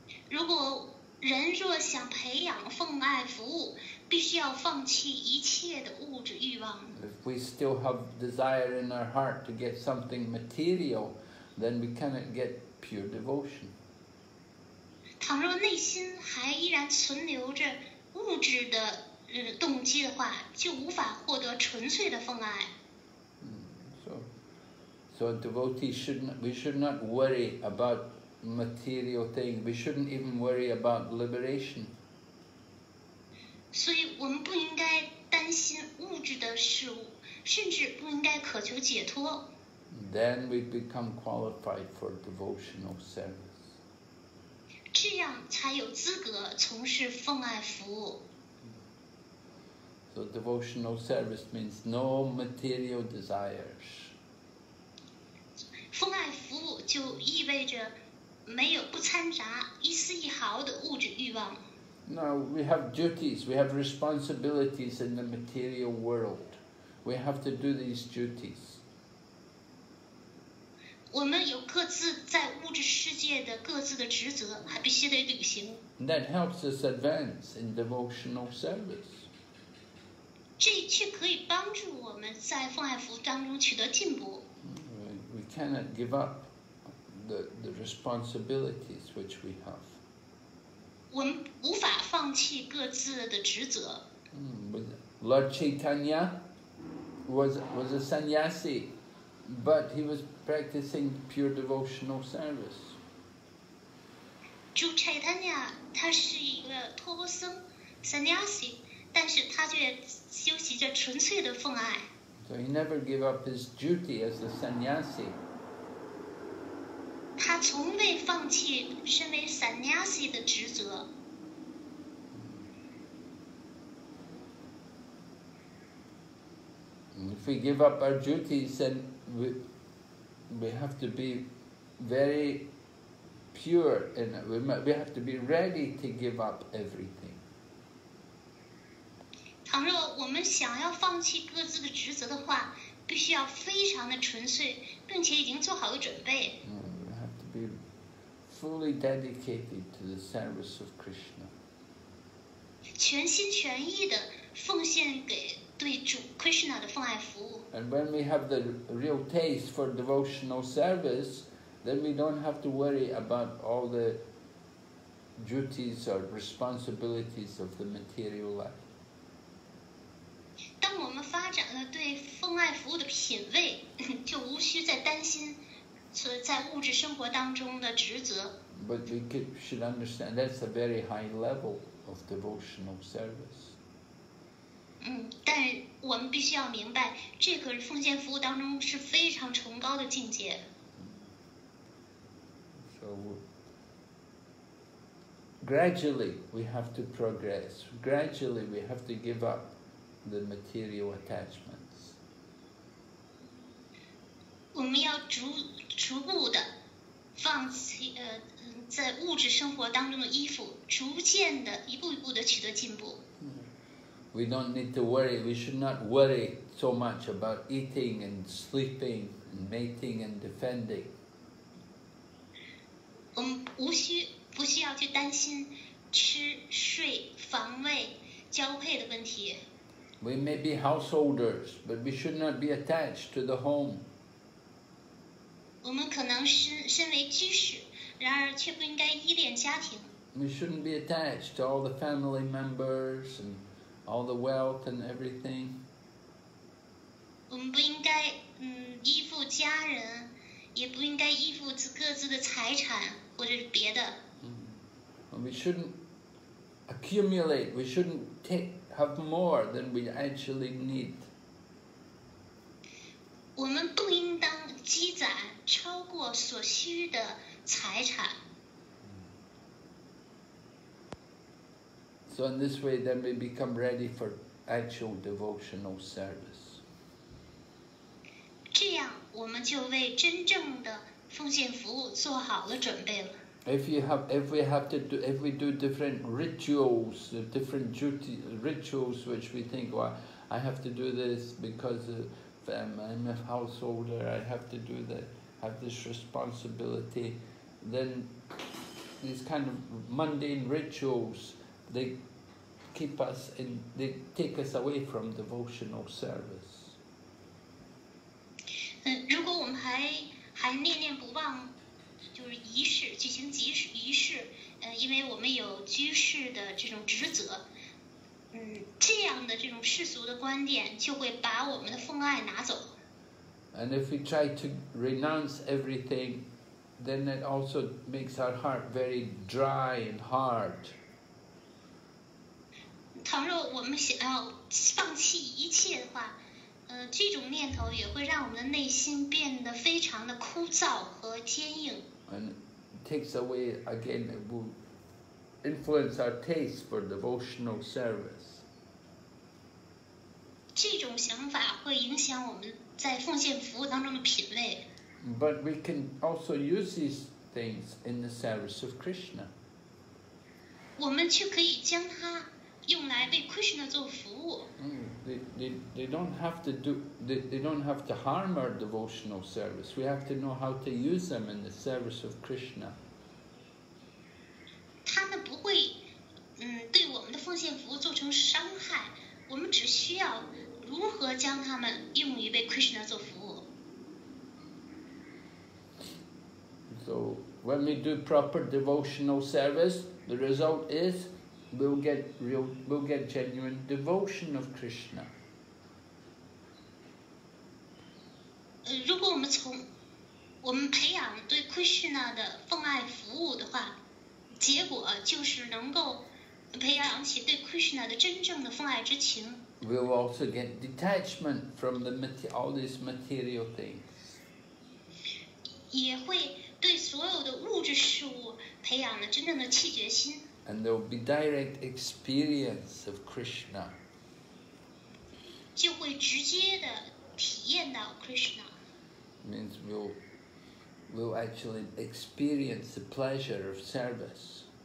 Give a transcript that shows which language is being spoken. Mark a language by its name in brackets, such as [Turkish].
[Chinese] 如果人若想培养奉爱服务，必须要放弃一切的物质欲望。 [English] If we still have desire in our heart to get something material, then we cannot get pure devotion. [Chinese] 倘若内心还依然存留着物质的动机的话，就无法获得纯粹的奉爱。 [English] So a devotee should not worry about material thing. We shouldn't even worry about liberation. [Chinese] 所以我们不应该担心物质的事物，甚至不应该渴求解脱。 [English] Then we become qualified for devotional service. [Chinese] 这样才有资格从事奉爱服务。 [English] So devotional service means no material desires. [Chinese] 奉爱服务就意味着没有不掺杂一丝一毫的物质欲望。 [English] Now we have duties, we have responsibilities in the material world. We have to do these duties. [Chinese] 我们有各自在物质世界的各自的职责，还必须得履行。 [English] That helps us advance in devotional service. [Chinese] 这却可以帮助我们在奉爱服务当中取得进步。 [English] We cannot give up the responsibilities which we have. [Chinese] 我们无法放弃各自的职责。 [English] Lord Chaitanya was a sannyasi, but he was practicing pure devotional service. [Chinese] 主 Chaitanya 他是一个托钵僧 sannyasi, 但是他却修习着纯粹的奉爱。 [English] So he never gave up his duty as a sannyasi. [Chinese] 他从未放弃身为 sannyasi 的职责。 [English] If we give up our duties, then we have to be very pure in it. We have to be ready to give up everything. [Chinese] 倘若我们想要放弃各自的职责的话，必须要非常的纯粹，并且已经做好了准备。 [English] We have to be fully dedicated to the service of Krishna. [Chinese] 全心全意的奉献给对主 Krishna 的奉爱服务。 [English] And when we have the real taste for devotional service, then we don't have to worry about all the duties or responsibilities of the material life. [Chinese] 当我们发展了对奉爱服务的品味，就无需再担心在物质生活当中的职责。 [English] But we should understand that's a very high level of devotional service. [Chinese] 但我们必须要明白，这个奉献服务当中是非常崇高的境界。 [English] So, gradually we have to progress. Gradually we have to give up the material attachments. [Chinese] 我们要逐步的放弃在物质生活当中的依附，逐渐的一步一步的取得进步。 [English] We don't need to worry. We should not worry so much about eating and sleeping and mating and defending. [Chinese] 我们无需不需要去担心吃睡房位交配的问题。 [English] We may be householders, but we should not be attached to the home. [Chinese] 我们可能身为居士，然而却不应该依恋家庭。 [English] We shouldn't be attached to all the family members and all the wealth and everything. [Chinese] 我们不应该依附家人，也不应该依附各自的财产或者是别的。 [English] And we shouldn't accumulate. We shouldn't have more than we actually need. [Chinese] 我们不应当积攒超过所需的财产。 [English] So in this way, then we become ready for actual devotional service. [Chinese] 这样我们就为真正的奉献服务做好了准备了。 [English] If we do different rituals, different duty rituals, which we think, well, I have to do this because of, I'm a householder, I have to do that, have this responsibility, then these kind of mundane rituals, they keep us in, they take us away from devotional service. [Chinese] 如果我们还念念不忘。就是仪式举行仪式因为我们有居士的这种职责，这样的这种世俗的观点就会把我们的奉爱拿走。 [English] And if we try to renounce everything, then it also makes our heart very dry and hard. [Chinese] 倘若我们想要放弃一切的话，这种念头也会让我们的内心变得非常的枯燥和坚硬。 [English] And it takes away, again, it will influence our taste for devotional service. [Chinese] 这种想法会影响我们在奉献服务当中的品味。 [English] But we can also use these things in the service of Krishna. [Chinese] 我们却可以将它用来为 Krishna 做服务。 [English] They don't have to harm our devotional service. We have to know how to use them in the service of Krishna. [Chinese] 他们不会，对我们的奉献服务造成伤害。我们只需要如何将他们用于为 Krishna 做服务。 [English] So when we do proper devotional service, the result is. We'll get genuine devotion of Krishna. [Chinese] 如果我们从我们培养对 Krishna 的奉爱服务的话，结果就是能够培养起对 Krishna 的真正的奉爱之情。 [English] We'll also get detachment from all these material things. [Chinese] 也会对所有的物质事物培养了真正的弃绝心。 [English] And there will be direct experience of Krishna. [Chinese] 就会直接的体验到 Krishna. [English] Means we'll actually experience the pleasure of service.